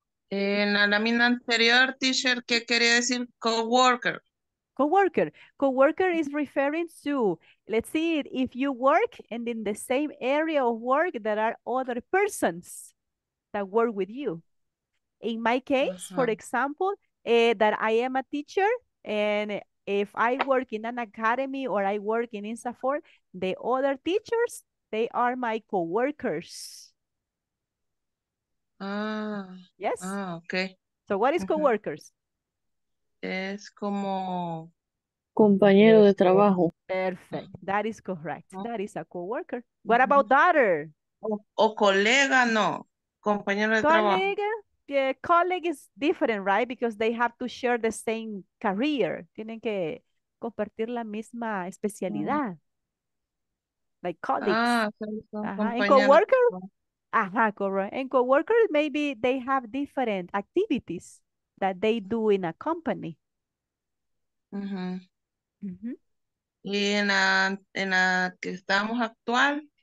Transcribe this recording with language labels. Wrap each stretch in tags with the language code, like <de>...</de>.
<es>En la lámina anterior, teacher, ¿qué quería decir coworker?</es> <en>Coworker. Coworker is referring to, let's see, if you work and in the same area of work, there are other persons that work with you. In my case, uh-huh. for example, that I am a teacher, and if I work in an academy or I work in INSAFOR, the other teachers, they are my coworkers. Yes. Okay. So what is coworkers?</en> <es>Es como compañero de trabajo.</es> <en>Perfect. That is correct. Oh. That is a coworker. What about daughter?</en> <es>O colega, no. Compañero de trabajo.</es> <en>Colega. Colleague is different, right? Because they have to share the same career.</en> <es>Tienen que compartir la misma especialidad.</es> <en>Like colleagues. Ah, and coworker. Ajá, correct. And co-workers, maybe they have different activities that they do in a company. Mm-hmm.</en> <es>Mm-hmm. Y en la que estamos actual.</es>